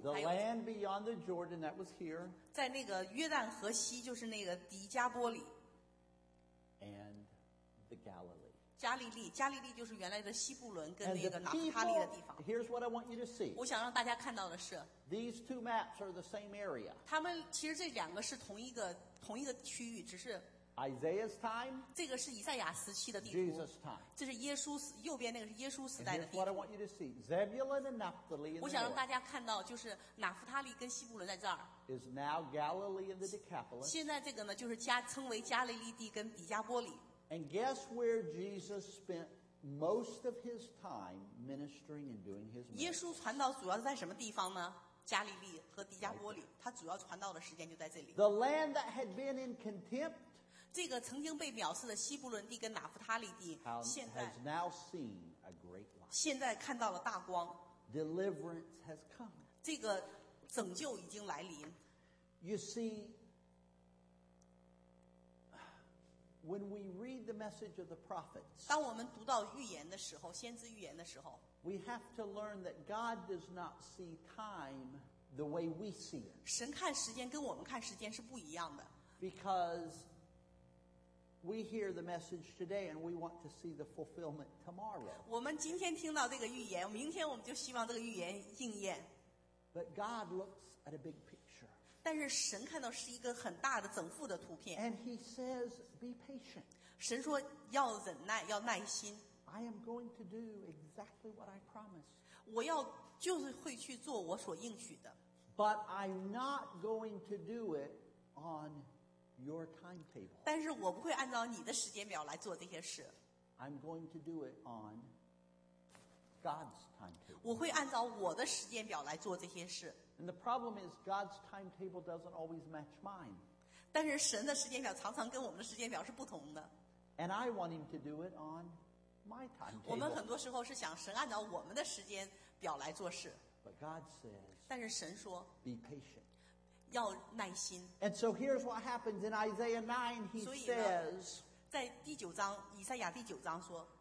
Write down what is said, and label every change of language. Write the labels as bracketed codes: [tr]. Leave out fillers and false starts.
[en] The land beyond the Jordan, that was here. [zh] 在那个约旦河西就是那个迪加波里。 [en] And the Galilee. [zh] 加利利就是原来的西布伦跟那个拿弗他利的地方。 [en] People, here's what I want you to see. [zh] 我想让大家看到的是。 [en] These two maps are the same area. [zh] 他们其实这两个是同一个区域，只是 [en] Isaiah's time. [zh] 这个是以赛亚时期的地图。 [en] Jesus' time. [zh] 这是耶稣右边那个是耶稣时代的地图。 [en] And here's what I want you to see. Zebulun and Naphtali. [zh] 我想让大家看到，就是拿弗他利跟西布伦在这儿。 [en] Is now Galilee and the Decapolis. [zh] 现在这个呢，就是称为加利利地跟底加波里。 [en] And guess where Jesus spent most of his time ministering and doing his ministry. [zh] 耶稣传道主要在什么地方呢？加利利和迪加波里，他主要传道的时间就在这里。 [en] The land that had been in contempt, [zh] 这个曾经被藐视的西布伦地跟拿弗他利地，现在 [en] has now seen a great light. [zh] 现在看到了大光。 [en] Deliverance has come. [zh] 这个拯救已经来临。 [en] You see, when we read the message of the prophets, [zh] 当我们读到预言的时候，先知预言的时候。 [en] We have to learn that God does not see time the way we see it. [zh] 神看时间跟我们看时间是不一样的。 [en] Because we hear the message today and we want to see the fulfillment tomorrow. [zh] 我们今天听到这个预言，明天我们就希望这个预言应验。 [en] But God looks at a big picture. [zh] 但是神看到是一个很大的整幅的图片。 [en] And he says, be patient. [zh] 神说要忍耐，要耐心。 [en] I am going to do exactly what I promised. [zh] 我要就是会去做我所应许的。 [en] But I'm not going to do it on your timetable. [zh] 但是我不会按照你的时间表来做这些事。 [en] I'm going to do it on God's timetable. [zh] 我会按照我的时间表来做这些事。 [en] And the problem is God's timetable doesn't always match mine. [zh] 但是神的时间表常常跟我们的时间表是不同的。 [en] And I want him to do it on My timetable. [zh] 我们很多时候是想神按照我们的时间表来做事。 [en] But God says, [zh] 但是神说 [en] Be patient. [zh] 要耐心。 [en] And so here's what happens in Isaiah 9, he says, [zh] 在第九章，以赛亚第九章说